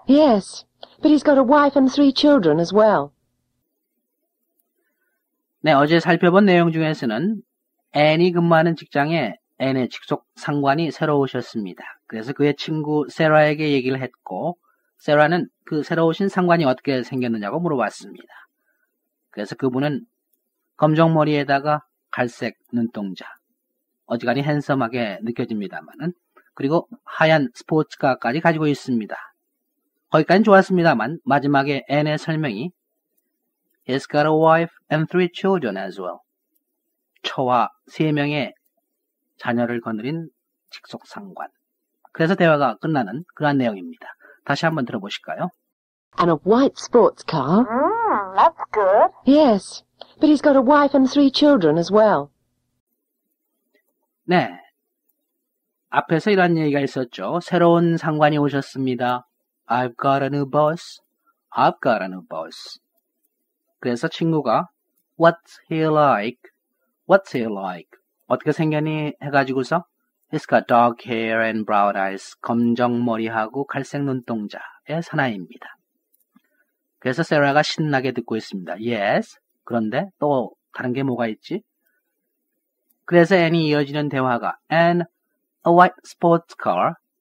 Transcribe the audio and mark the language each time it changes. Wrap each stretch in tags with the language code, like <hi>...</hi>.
<en>Yes, but he's got a wife and three children as well.</en> <ko>네, 어제 살펴본 내용 중에서는 앤이 근무하는 직장에 앤의 직속 상관이 새로 오셨습니다. 그래서 그의 친구 세라에게 얘기를 했고 세라는 그 새로 오신 상관이 어떻게 생겼느냐고 물어봤습니다. 그래서 그분은 검정 머리에다가 갈색 눈동자, 어지간히 핸섬하게 느껴집니다만은 그리고 하얀 스포츠카까지 가지고 있습니다. 거기까지는 좋았습니다만 마지막에 앤의 설명이</ko> <en>He's got a wife and three children as well.</en> <ko>처와 세 명의 자녀를 거느린 직속 상관. 그래서 대화가 끝나는 그러한 내용입니다. 다시 한번 들어보실까요?</ko> <en>And a white sports car. That's good. Yes, but he's got a wife and three children as well.</en> <ko>네, 앞에서 이런 얘기가 있었죠. 새로운 상관이 오셨습니다.</ko> <en>I've got a new boss. I've got a new boss.</en> <ko>그래서 친구가</ko> <en>What's he like? What's he like?</en> <ko>어떻게 생겼니? 해가지고서</ko> <en>He's got dark hair and brown eyes.</en> <ko>검정 머리하고 갈색 눈동자의 사나이입니다. 그래서 세라가 신나게 듣고 있습니다.</ko> <en>Yes.</en> <ko>그런데 또 다른 게 뭐가 있지? 그래서 앤이 이어지는 대화가</ko> <en>And a white sports car.</en>